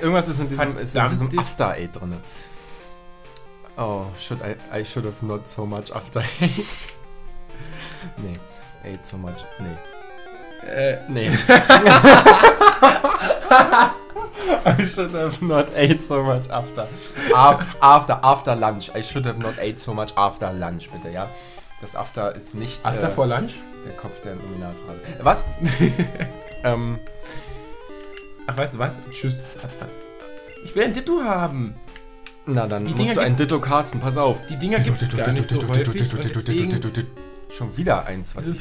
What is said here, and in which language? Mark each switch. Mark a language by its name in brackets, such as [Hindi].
[German] irgendwas ist in diesem After Eight drin. [English] Oh, I should have not so much After Eight. Nee, Eight so much. Nee. [German] Nee. [English] I should have not ate so much after. After lunch. I should have not ate so much after lunch, [German] bitte, ja? Das After ist nicht. After vor lunch? Der Kopf der Nominalphrase. Was? Ach, weißt du was? Tschüss. Hat's. Ich will ein Ditto haben. Na, dann musst du ein Ditto casten. Pass auf. Die Dinger gibt's gar nicht so häufig. Schon wieder eins, was ich